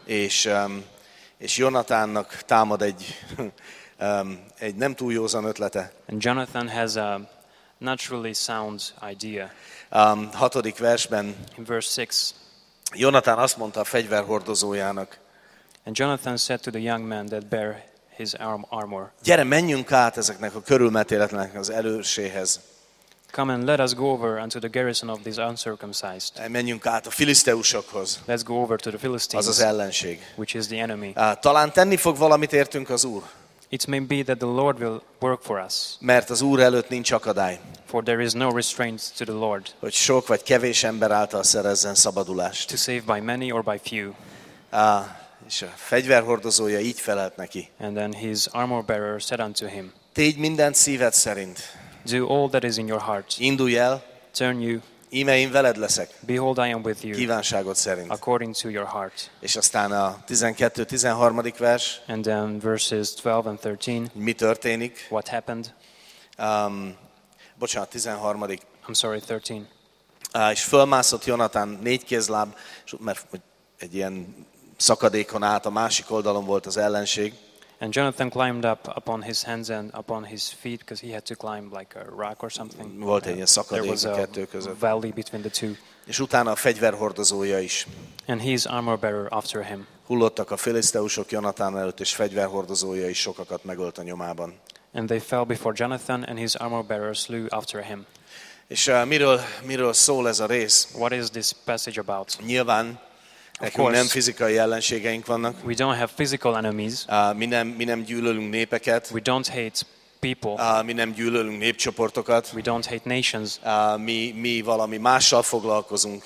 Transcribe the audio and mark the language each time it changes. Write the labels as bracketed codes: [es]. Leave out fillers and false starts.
[hu] És Jonathannak támad egy egy nem túl józan ötlete. [en] And Jonathan has a naturally sound idea. [hu] 6. versben. [en] In verse 6. [hu] Jonathan azt mondta a fegyverhordozójának. [en] And Jonathan said to the young man that bear his armor. [hu] Gyere, menjünk át ezeknek a körülmetéletlenek az előrséhez. [en] Come and let us go over unto the garrison of these uncircumcised. [hu] Menjünk át a filiszteusokhoz. [en] Let's go over to the Philistines. [hu] Az az ellenség. [en] Which is the enemy. [hu] Talán tenni fog valamit értünk az Úr. [en] It may be that the Lord will work for us. [hu] Mert az Úr előtt nincs akadály. [en] For there is no restraint to the Lord. [hu] Hogy sok vagy kevés ember által szerezzen szabadulást. [en] To save by many or by few. [hu] És a fegyverhordozója így felelt neki. [en] And then his armor bearer said unto him. [hu] Tégy mindent szíved szerint. [en] Do all that is in your heart. [hu] Indulj el. [en] Turn you. [hu] Íme én veled leszek. [en] Behold, I am with you. [hu] Kívánságod szerint. [en] According to your heart. [hu] És aztán a 12-13. Vers. [en] And then verses 12 and 13. [hu] Mi történik? [en] What happened? [hu] 13. [en] I'm sorry, 13. [hu] És fölmászott Jonathan négy kézláb, mert egy ilyen szakadékon át a másik oldalon volt az ellenség. [en] And Jonathan climbed up upon his hands and upon his feet because he had to climb like a rock or something. [hu] Volt egy szakadék a kettő között. [en] There was a valley between the two. [hu] És utána a fegyverhordozója is. [en] And his armor bearer after him. [hu] Hullottak a filiszteusok Jonathan előtt, és fegyverhordozója is sokakat megölt a nyomában. [en] And they fell before Jonathan and his armor bearer slew after him. [hu] És miről szól ez a rész? [en] What is this passage about? [hu] Nyilván nekünk nem fizikai ellenségeink vannak. [en] We don't have physical enemies. [hu] Mi nem gyűlölünk népeket. [en] We don't hate people. [hu] Mi nem gyűlölünk népcsoportokat. [en] We don't hate nations. [hu] Mi valami mással foglalkozunk.